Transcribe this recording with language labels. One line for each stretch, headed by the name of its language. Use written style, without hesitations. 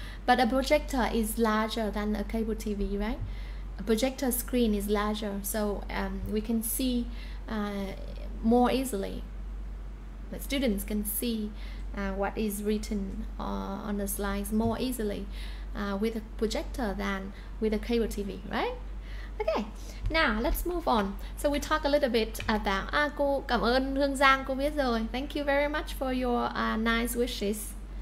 English: But a projector is larger than a cable TV, right? A projector screen is larger, so we can see more easily. The students can see what is written on the slides more easily with a projector than with a cable TV, right? Okay, now let's move on. So we talk a little bit about...
Vietnamese: À, cô cảm ơn Hương Giang, cô biết rồi.
English: Thank you very much for your nice wishes.